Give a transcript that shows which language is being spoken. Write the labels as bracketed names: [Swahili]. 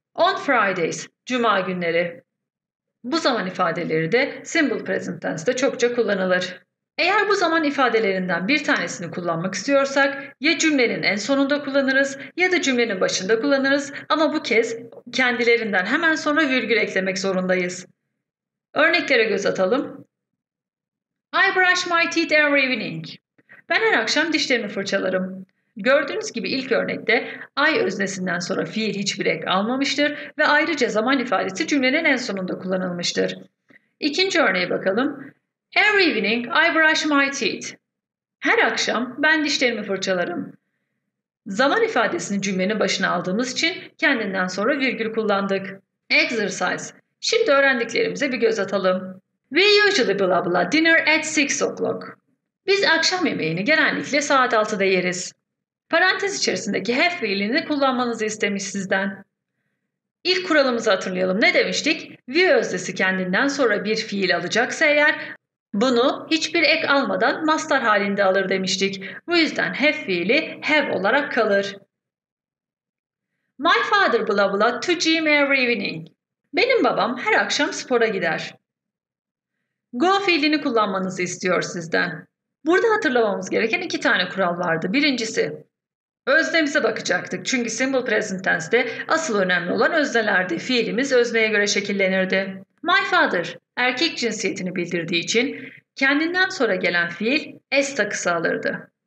[English] On Fridays, [Turkish] cuma günleri. Bu zaman ifadeleri de simple present tense'de çokça kullanılır. Eğer bu zaman ifadelerinden bir tanesini kullanmak istiyorsak ya cümlenin en sonunda kullanırız ya da cümlenin başında kullanırız ama bu kez kendilerinden hemen sonra virgül eklemek zorundayız. Örneklere göz atalım. [English] I brush my teeth every evening. [Turkish] Ben her akşam dişlerimi fırçalarım. Gördüğünüz gibi ilk örnekte I öznesinden sonra fiil hiçbir ek almamıştır ve ayrıca zaman ifadesi cümlenin en sonunda kullanılmıştır. İkinci örneğe bakalım. [English] Every evening I brush my teeth. [Turkish] Her akşam ben dişlerimi fırçalarım. Zaman ifadesini cümlenin başına aldığımız için kendinden sonra virgül kullandık. Exercise. Şimdi öğrendiklerimize bir göz atalım. [English] We usually blah blah dinner at 6 o'clock. [Turkish] Biz akşam yemeğini genellikle saat 6'da yeriz. Parantez içerisindeki have fiilini kullanmanızı istemiş sizden. İlk kuralımızı hatırlayalım. Ne demiştik? We öznesi kendinden sonra bir fiil alacaksa eğer bunu hiçbir ek almadan mastar halinde alır demiştik. Bu yüzden have fiili have olarak kalır. [English] My father blah blah to gym every evening. [Turkish] Benim babam her akşam spora gider. Go fiilini kullanmanızı istiyor sizden. Burada hatırlamamız gereken iki tane kural vardı. Birincisi, öznemize bakacaktık. Çünkü simple present tense'de asıl önemli olan öznelerdi. Fiilimiz özneye göre şekillenirdi. My father, erkek cinsiyetini bildirdiği için kendinden sonra gelen fiil s takısı alırdı.